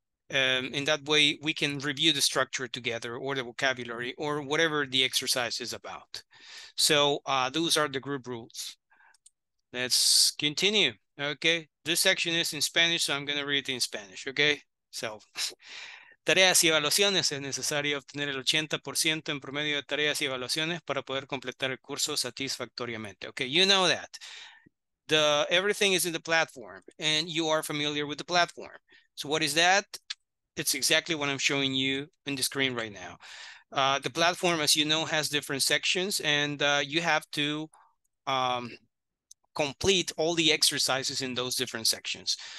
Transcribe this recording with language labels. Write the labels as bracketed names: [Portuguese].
[English] In that way, we can review the structure together or the vocabulary or whatever the exercise is about. So those are the group rules. Let's continue, okay? This section is in Spanish, so I'm going to read it in Spanish, okay? [Spanish] So, tareas y evaluaciones. Es necesario obtener el 80% en promedio de tareas y evaluaciones para poder completar el curso satisfactoriamente. [English] Okay, you know that. Everything is in the platform, and you are familiar with the platform. So what is that? It's exactly what I'm showing you in the screen right now. The platform, as you know, has different sections, and you have to complete all the exercises in those different sections.